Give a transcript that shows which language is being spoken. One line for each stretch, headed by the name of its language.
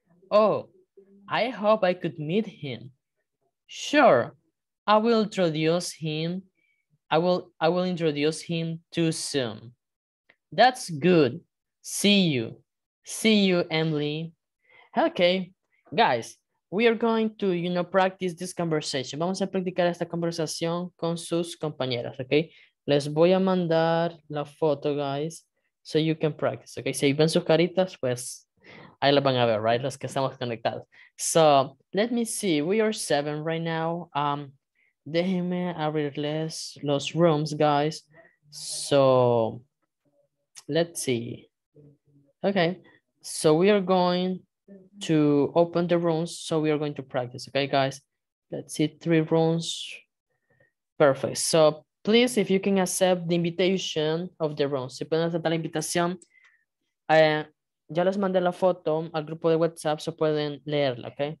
English: Oh, I hope I could meet him. Sure, I will introduce him too soon. That's good. See you, Emily. Okay, guys, we are going to, you know, practice this conversation.
Spanish: Vamos a practicar esta conversación con sus compañeras, okay? Les voy a mandar la foto, guys,
English: so you can practice,
Spanish: okay? Si ven sus caritas, pues, ahí las van a ver, right? Los que estamos conectados.
English: So, let me see, we are 7 right now.
Spanish: Déjenme abrirles los rooms, guys.
English: So, let's see. Okay, so we are going to open the rooms, so we are going to practice, okay, guys? Let's see, 3 rooms. Perfect. So please, if you can accept the invitation of the rooms.
Spanish: Si pueden aceptar la invitación, ya les mandé la foto al grupo de WhatsApp, so pueden leerla, okay?